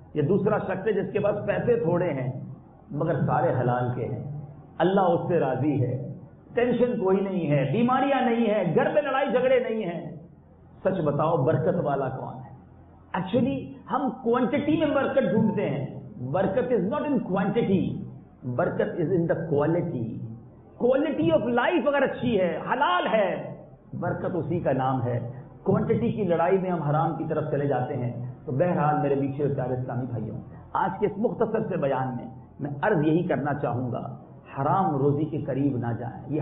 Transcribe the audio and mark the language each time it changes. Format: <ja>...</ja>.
<ur>یا دوسرا شخص ہے جس کے پاس پیسے تھوڑے ہیں مگر سارے حلال کے ہیں, اللہ اس سے راضی ہے, ٹینشن کوئی نہیں ہے, بیماریاں نہیں ہیں, گھر میں لڑائی جھگڑے نہیں ہیں. سچ بتاؤ برکت والا کون ہے؟ ایکچولی ہم کوانٹٹی میں برکت ڈھونڈتے ہیں.</ur> <en>برکت is not in quantity, برکت is in the quality. Quality of life</en> <ur>اگر اچھی ہے, حلال ہے, برکت اسی کا نام ہے. کوانٹٹی کی لڑائی میں ہم حرام کی طرف چلے جاتے ہیں. تو بہرحال میرے پیچھے پیارے اسلامی بھائیوں, آج کے اس مختصر سے بیان میں میں عرض یہی کرنا چاہوں گا, حرام روزی کے قریب نہ جائیں.</ur>